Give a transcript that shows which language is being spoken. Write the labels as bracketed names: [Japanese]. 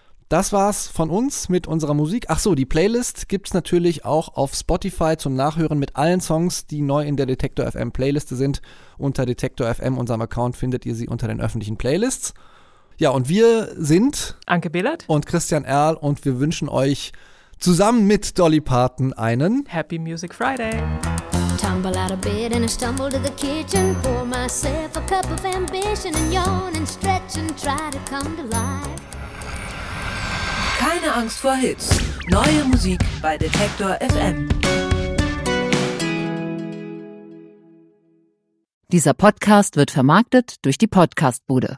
[German] Das war's von uns mit unserer Musik. Ach so, die Playlist gibt's natürlich auch auf Spotify zum Nachhören mit allen Songs, die neu in der Detektor FM Playliste sind. Unter Detektor FM, unserem Account, findet ihr sie unter den öffentlichen Playlists. Ja, und wir sind Anke Behlert und Christian Erl und wir wünschen euch zusammen mit Dolly Parton einen [English] Happy Music Friday. Tumble out of bed and I stumble to the kitchen. Pour myself a cup of ambition and yawn and stretch and try to come to life. [German] Keine Angst vor Hits. Neue Musik bei Detektor FM. Dieser Podcast wird vermarktet durch die Podcastbude.